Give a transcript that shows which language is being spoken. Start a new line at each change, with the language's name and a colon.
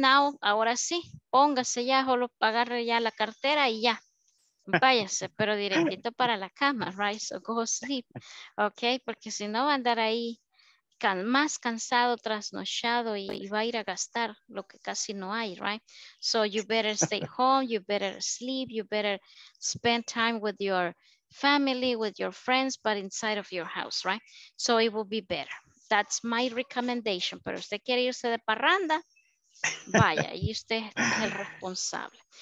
Spanish: Now, ahora sí, póngase ya, solo agarre ya la cartera y ya. Váyase, pero directito para la cama, right?
English: So, go sleep.
Spanish: Okay, porque si no va a andar ahí más cansado, trasnochado y va a ir a gastar lo que casi no hay, right?
English: So you better stay home, you better sleep, you better spend time with your family, with your friends, but inside of your house, right? So it will be better. That's my recommendation.
Spanish: Pero usted quiere irse de parranda, vaya, y usted es el responsable.